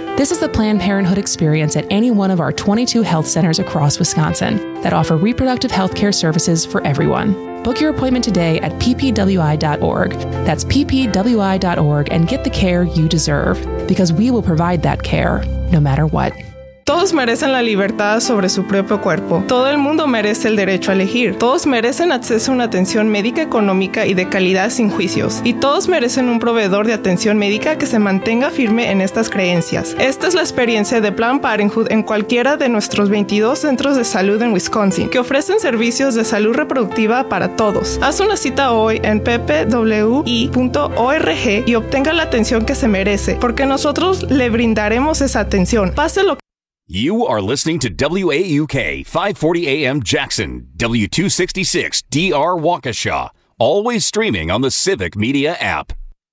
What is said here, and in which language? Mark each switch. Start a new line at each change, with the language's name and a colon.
English: This is the Planned Parenthood experience at any one of our 22 health centers across Wisconsin that offer reproductive healthcare services for everyone. Book your appointment today at ppwi.org. That's ppwi.org and get the care you deserve, because we will provide that care no matter what.
Spanish: Todos merecen la libertad sobre su propio cuerpo. Todo el mundo merece el derecho a elegir. Todos merecen acceso a una atención médica económica y de calidad sin juicios. Y todos merecen un proveedor de atención médica que se mantenga firme en estas creencias. Esta es la experiencia de Planned Parenthood en cualquiera de nuestros 22 centros de salud en Wisconsin, que ofrecen servicios de salud reproductiva para todos. Haz una cita hoy en ppwi.org y obtenga la atención que se merece, porque nosotros le brindaremos esa atención. Pase lo que...
English: You are listening to WAUK 540 AM Jackson, W266 DR Waukesha, always streaming on the Civic Media app.